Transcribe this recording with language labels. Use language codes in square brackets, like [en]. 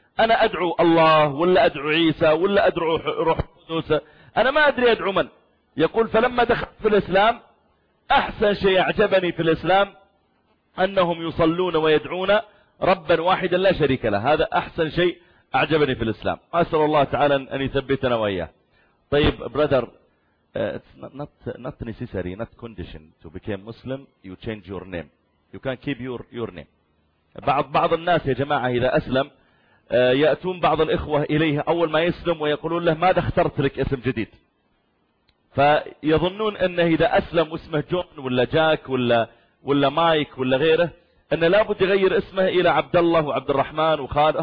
[ar] أنا أدعو الله ولا أدعو عيسى ولا أدعو روح القدس، أنا ما أدري أدعو من. يقول فلما دخلت في الإسلام أحسن شيء أعجبني في الإسلام أنهم يصلون ويدعون ربا واحدا لا شريك له. هذا أحسن شيء أعجبني في الإسلام. أسأل الله تعالى أن يثبتنا وإياه. [en] طيب brother, it's not necessary, not condition to become Muslim you change your name. You can keep your name. [ar] بعض الناس يا جماعة إذا أسلم يأتون بعض الإخوة إليه أول ما يسلم ويقولون له ماذا اخترت لك اسم جديد، فيظنون أنه إذا أسلم اسمه جون ولا جاك ولا مايك ولا غيره أنه لابد يغير اسمه إلى عبد الله وعبد الرحمن وخالد.